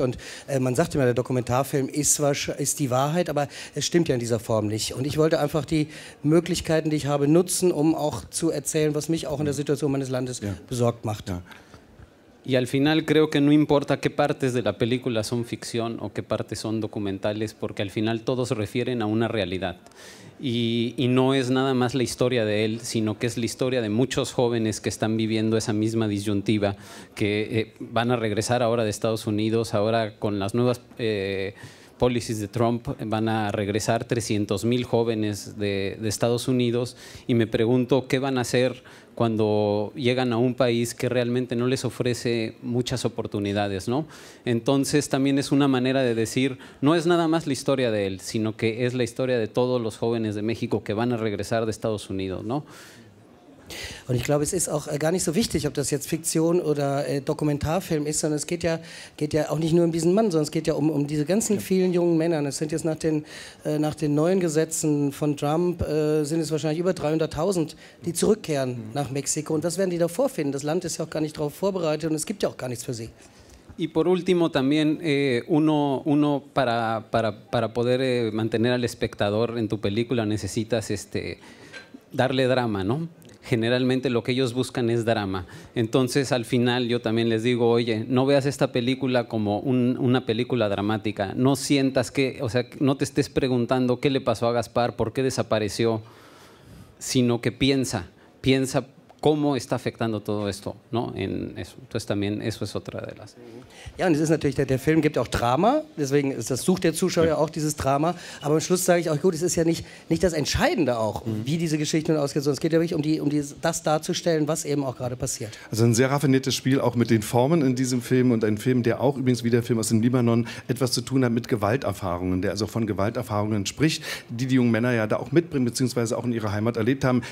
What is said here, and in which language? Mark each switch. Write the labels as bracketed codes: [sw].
[de] Und man sagt immer, der Dokumentarfilm ist die Wahrheit, aber es stimmt ja in dieser Form nicht. Und ich wollte einfach die Möglichkeiten, die ich habe, nutzen, um auch zu erzählen, was mich auch in der Situation meines Landes ja. besorgt macht. Ja. [es] Y al final creo que no importa qué partes de la película son ficción o qué partes son documentales, porque al final todos se refieren a una realidad. Y no es nada más la historia de él, sino que es la historia de muchos jóvenes que están viviendo esa misma disyuntiva, que van a regresar ahora de Estados Unidos, ahora con las nuevas policies de Trump, van a regresar 300,000 jóvenes de Estados Unidos, y me pregunto qué van a hacer cuando llegan a un país que realmente no les ofrece muchas oportunidades, ¿no? Entonces también es una manera de decir, no es nada más la historia de él, sino que es la historia de todos los jóvenes de México que van a regresar de Estados Unidos, ¿no? [de] Und ich glaube, es ist auch gar nicht so wichtig, ob das jetzt Fiktion oder Dokumentarfilm ist, sondern es geht ja auch nicht nur um diesen Mann, sondern es geht ja um diese ganzen vielen jungen Männer. Es sind jetzt nach den neuen Gesetzen von Trump, sind es wahrscheinlich über 300,000, die zurückkehren nach Mexiko. Und was werden die da vorfinden? Das Land ist ja auch gar nicht darauf vorbereitet und es gibt ja auch gar nichts für sie. [es] Y por último también uno para poder mantener al espectador en tu película necesitas darle drama, ¿no? Generalmente lo que ellos buscan es drama. Entonces, al final yo también les digo, oye, no veas esta película como una película dramática. No sientas que, o sea, no te estés preguntando qué le pasó a Gaspar, por qué desapareció, sino que piensa cómo está afectando todo esto, ¿no? En eso. Entonces también eso es otra de las. [de] Ja, und es ist natürlich, der Film gibt auch Drama, deswegen das sucht der Zuschauer auch dieses Drama, aber am Schluss sage ich auch, gut, es ist ja nicht das Entscheidende auch, wie diese Geschichte ausgeht, sondern es geht ja wirklich das darzustellen, was eben auch gerade passiert. Also ein sehr raffiniertes Spiel, auch mit den Formen in diesem Film und ein Film, der auch übrigens wie der Film aus dem Libanon etwas zu tun hat mit Gewalterfahrungen, der also von Gewalterfahrungen spricht, die jungen Männer ja da auch mitbringen, beziehungsweise auch in ihrer Heimat erlebt haben.